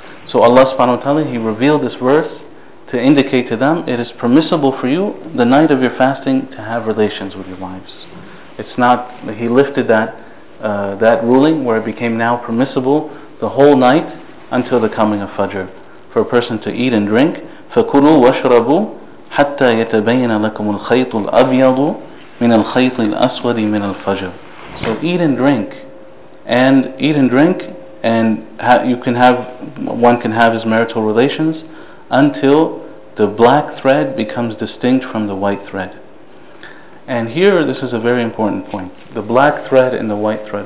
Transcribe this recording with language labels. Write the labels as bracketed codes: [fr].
[en] So Allah subhanahu wa ta'ala, He revealed this verse to indicate to them, it is permissible for you the night of your fasting to have relations with your wives. It's not, He lifted that ruling where it became now permissible the whole night until the coming of Fajr for a person to eat and drink. [ar] فَكُلُوا وَاشْرَبُوا حَتَّى يَتَبَيَّنَ لَكُمُ الْخَيْطُ الْأَبْيَضُ من الخيط الأسود من الفجر. [en] So eat and drink, and eat and drink, and you can have, one can have his marital relations until the black thread becomes distinct from the white thread. And here, this is a very important point. The black thread and the white thread.